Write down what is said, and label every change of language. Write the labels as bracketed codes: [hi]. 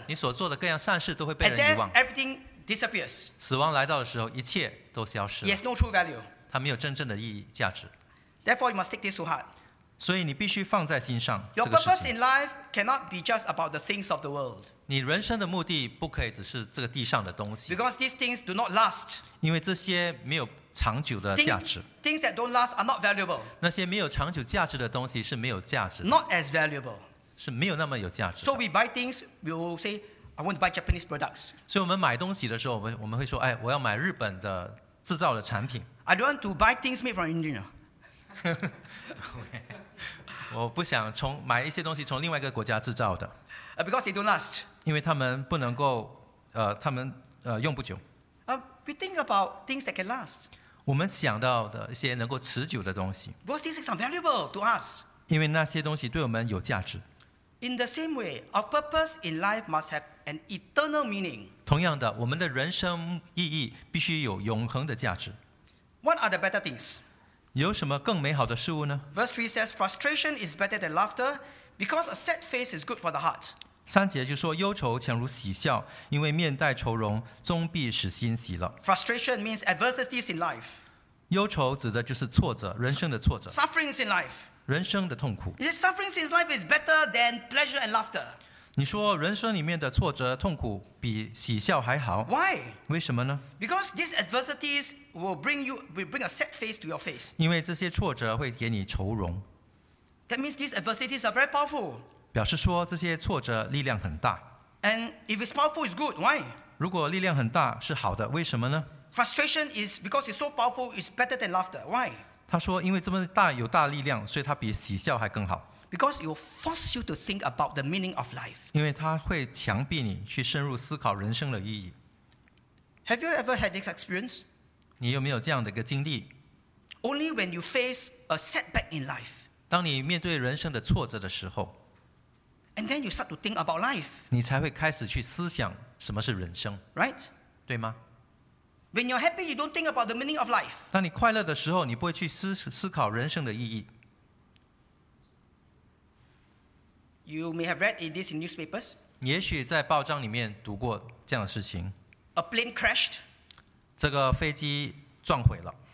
[zh] 你所做的各样善事都会被人遗忘。 [en] At death, everything disappears. [zh] 死亡来到的时候，一切都消失了。 [en] It has no true value. [zh] 它没有真正的意义价值。 [en] Therefore, you must take this to heart. [zh] 所以你必须放在心上。 [en] Your purpose in life cannot be just about the things of the world. [zh] 你人生的目的不可以只是这个地上的东西。 [en] Because these things do not last. [zh] 因为这些没有长久的价值。 [en] Things that don't last are not valuable. [zh] 那些没有长久价值的东西是没有价值的。 [en] Not as valuable. [zh] 是没有那么有价值的。 [en] So we buy things, we will say, I want to buy Japanese products. [zh] 所以我们买东西的时候，我们会说，哎，我要买日本的制造的产品。 [en] I don't want to buy things made from India. [zh] 我不想买一些东西从另外一个国家制造的 [en] because they don't last. [zh] 因为他们不能够他们用不久 [en] we think about things that can last. [zh] 我们想到的一些能够持久的东西 [en] because these things are valuable to us. [zh] 因为那些东西对我们有价值 [en] in the same way, our purpose in life must have an eternal meaning. [zh] 同样的，我们的人生意义必须有永恒的价值 [en] what are the better things? [zh] 有什么更美好的事物呢？ [en] Verse 3 says, frustration is better than laughter, because a sad face is good for the heart. [zh] 三节就说忧愁强如喜笑，因为面带愁容，终必使心喜乐。 [en] Frustration means adversities in life. [zh] 忧愁指的就是挫折，人生的挫折。 [en] Sufferings in life. [zh] 人生的痛苦。 [en] Is it sufferings in life is better than pleasure and laughter? [zh] 你说人生里面的挫折痛苦比喜笑还好？ [en] Why? [zh] 为什么呢？ [en] Because these adversities will bring a sad face to your face. [zh] 因为这些挫折会给你愁容。 [en] That means these adversities are very powerful. [zh] 表示说这些挫折力量很大。 [en] And if it's powerful, it's good. Why? [zh] 如果力量很大是好的，为什么呢？ [en] Frustration is because it's so powerful, it's better than laughter. Why? [zh] 他说因为这么大有大力量，所以它比喜笑还更好。 [en] Because it will force you to think about the meaning of life. [zh] 因为它会强迫你去深入思考人生的意义。 [en] Have you ever had this experience? [zh] 你有没有这样的一个经历？ [en] Only when you face a setback in life. [zh] 当你面对人生的挫折的时候， [en] And then you start to think about life. [zh] 你才会开始去思想什么是人生 [en] ？Right？ [zh] 对吗 [en] ？When you're happy, you don't think about the meaning of life. [zh] 当你快乐的时候，你不会去思考人生的意义。 [en] You may have read this in newspapers. [zh] 也许在报章里面读过这样的事情。 [en] A plane crashed. [zh] 这个飞机撞毁了。